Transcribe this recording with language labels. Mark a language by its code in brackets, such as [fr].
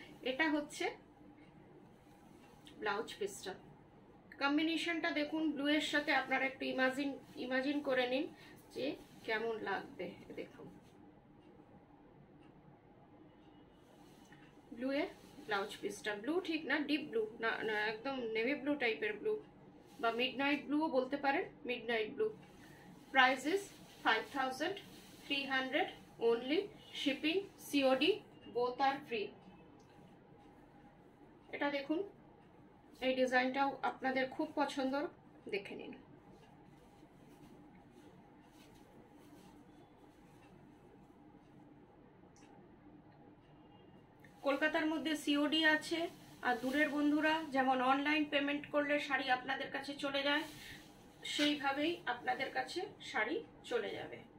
[bn] এটা হচ্ছে ব্লাউজ পিসটা, কম্বিনেশনটা দেখুন ব্লু এর সাথে, আপনারা একটু ইমাজিন করে নিন যে কেমন লাগবে। দেখুন ব্লু এর ব্লাউজ পিসটা, ব্লু ঠিক না, ডিপ ব্লু না, একদম নেভি ব্লু টাইপের ব্লু, বা মিড নাইট ব্লুও বলতে পারেন, mid night blue. [en] Price is 5300 300 only, shipping COD both are free. [bn] এটা দেখুন, এই ডিজাইনটাও আপনাদের খুব পছন্দর, দেখে নিন। কলকাতার মধ্যে সিওডি আছে, আর দূরের বন্ধুরা যেমন অনলাইন পেমেন্ট করলে শাড়ি আপনাদের কাছে চলে যায়, সেইভাবেই আপনাদের কাছে শাড়ি চলে যাবে।